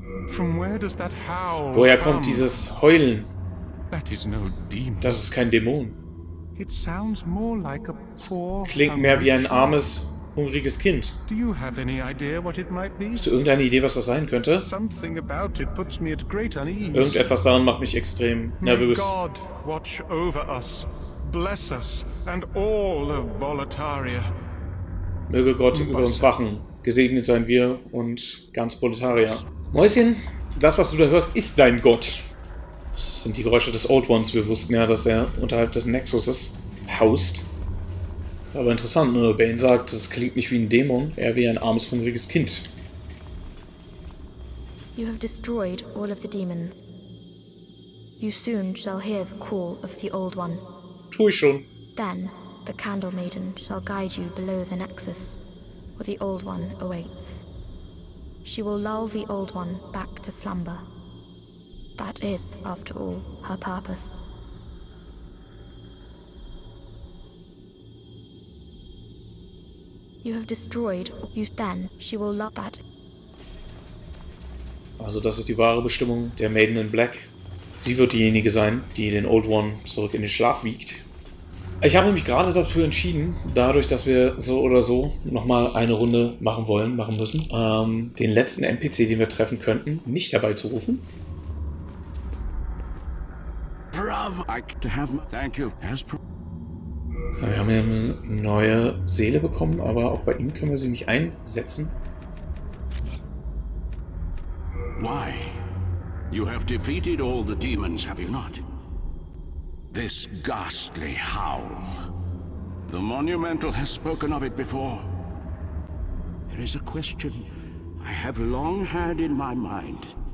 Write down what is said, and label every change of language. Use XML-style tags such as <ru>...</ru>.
<en>From where does that howl</en> <de>Woher kommt</de> <en>come?</en> <de>Dieses Heulen?</de> <en>That is no demon.</en> <de>Das ist kein Dämon.</de> <en>It sounds more like a poor</en> <de>Klingt mehr wie ein armes, hungriges Kind.</de> <en>Do you have any idea what it might be?</en> <de>Hast du irgendeine Idee, was das sein könnte?</de> <en>Something about it puts me at great unease.</en> <de>Irgendetwas daran macht mich extrem nervös.</de> <en>May God watch over us, bless us and all of Boletaria.</en> <de>Möge Gott über uns wachen. Gesegnet seien wir und ganz Boletaria. Mäuschen, das, was du da hörst, ist dein Gott. Das sind die Geräusche des Old Ones. Wir wussten ja, dass er unterhalb des Nexuses haust. Aber interessant, ne? Bane sagt, das klingt nicht wie ein Dämon, eher wie ein armes, hungriges Kind.</de> <en>You have destroyed all of the demons. You soon shall hear the call of the Old One.</en> <de>Tue ich schon.</de> <en>Then the Candle Maiden shall guide you below the Nexus, where the Old One awaits. She will lull the Old One back to slumber. That is, after all, her purpose. You have destroyed you then, she will love that.</en> <de>Also das ist die wahre Bestimmung der Maiden in Black. Sie wird diejenige sein, die den Old One zurück in den Schlaf wiegt. Ich habe mich gerade dafür entschieden, dadurch, dass wir so oder so nochmal eine Runde machen wollen, machen müssen, den letzten NPC, den wir treffen könnten, nicht dabei zu rufen. Wir haben eine neue Seele bekommen, aber auch bei ihm können wir sie nicht einsetzen.</de> <en>Why? You have defeated all the demons, have you not? This ghastly howl. The monumental has spoken of it before. There is a question I have long had in my mind.</en>